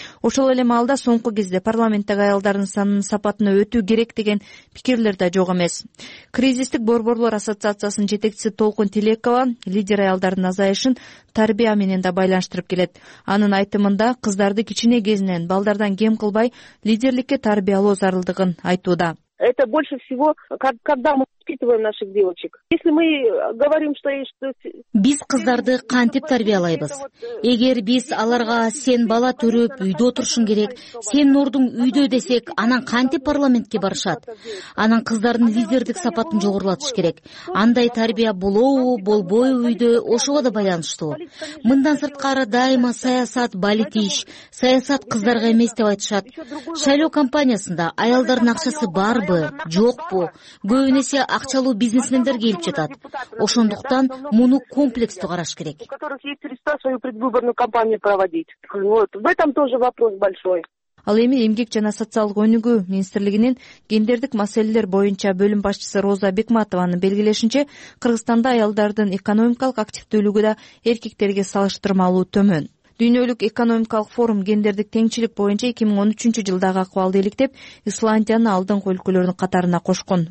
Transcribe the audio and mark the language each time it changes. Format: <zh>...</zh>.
<ky>Ошол эле маалда соңку кезде парламенттеги аялдардын санын сапатына өтүү керек деген пикирлер да жок эмес. Кризистик борборлор ассоциациясынын жетекчиси Толкун Тилекова лидер аялдардын азайышын тарбия менен да байланыштырып келет. Анын айтымында кыздарды кичине кезинен балдардан кем кылбай лидерликке тарбиялоо зарылдыгын айтууда.</ky> <ru>Это больше всего, когда мы воспитываем наших девочек. Если мы говорим, что</ru> <ky>биз кыздарды кантип тарбиялайбыз? Эгер биз аларга сен бала туруп үйдө отурушуң керек, сен нордуң үйдө десек, анан кантип парламентке барышат? Анан кыздардын лидердик сапатын жогорулатыш керек. Андай тарбия болобу, болбойбу үйдө ошого да байланыштуу. Мындан сырткары дайыма саясат балитиш, саясат кыздарга эмес деп айтышат. Шайлоо кампаниясында аялдардын акчасы бар бы, жок бу, көбүнесе акчалуу бизнесмендер келип жатат. Ошондуктан муну комплекстүү караш керек.</ky> <ru>В этом тоже вопрос большой.</ru> <ky>Ал эми эмгек жана социалдык өнүгүү министрлигинин гендердик маселелер боюнча бөлүм башчысы Роза Бекматованын белгилешинче, Кыргызстанда аялдардын экономикалык активдүүлүгү да эркектерге салыштырмалуу төмөн. Дүйнөлүк экономикалык форум гендердик теңчилик боюнча 2013 жылдагы акыбалды иликтеп, Исландияны алдыңкы өлкөлөрдүн катарына кошкон.</ky>